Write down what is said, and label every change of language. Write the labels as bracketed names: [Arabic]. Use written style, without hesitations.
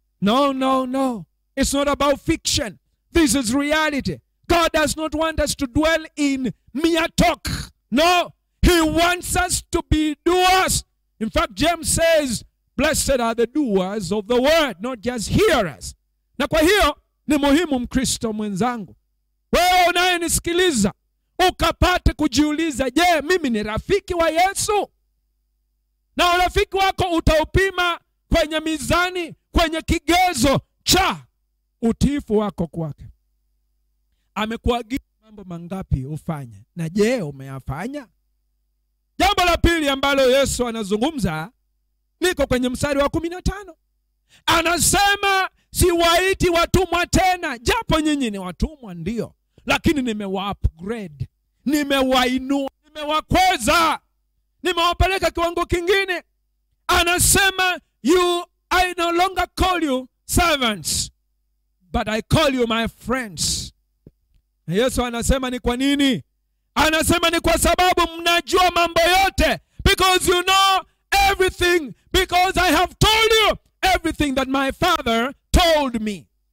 [English] No. It's not about fiction. This is reality. God does not want us to dwell in mere talk. No, he wants us to be doers. In fact, James says, blessed are the doers of the word, not just hearers. [Swahili] Na kwa hiyo, ni muhimu mkristo mwenzangu. Wewe unayenisikiliza, ukapate kujiuliza, je, mimi ni rafiki wa Yesu? Na urafiki wako utaupima kwenye mizani, kwenye kigezo, cha utiifu wako kwake. Amekuagiza mambo mangapi ufanye? Na je, umeyafanya? Jambo la pili ambalo Yesu anazungumza, niko kwenye mstari wa 15. Anasema, siwaiti watumwa tena, japo nyinyi ni watumwa ndio, lakini nimewa upgrade, nimewainua, nimewakweza, nimewapeleka kiwango kingine. Anasema, [English] I no longer call you servants, but I call you my friends. [Swahili] Yesu anasema ni kwa nini? Anasema ni kwa sababu mnajua mambo yote. [English] Because you know everything. Because I have told you everything that my father told me.